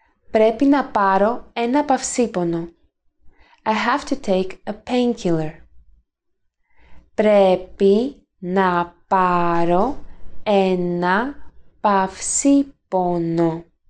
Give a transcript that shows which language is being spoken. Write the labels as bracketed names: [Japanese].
[Greek] Πρέπει να πάρω ένα παυσίπονο. [English] I have to take a painkiller. [Greek] Πρέπει να πάρω ένα παυσίπονο.